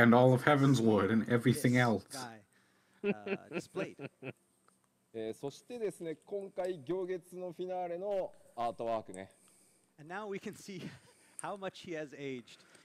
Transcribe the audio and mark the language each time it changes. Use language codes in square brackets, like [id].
[en] And all of Heaven's Wood and everything else. Displayed. [ja] そしてですね、今回行月のフィナーレのアートワークね。 [en] And now we can see how much he has aged.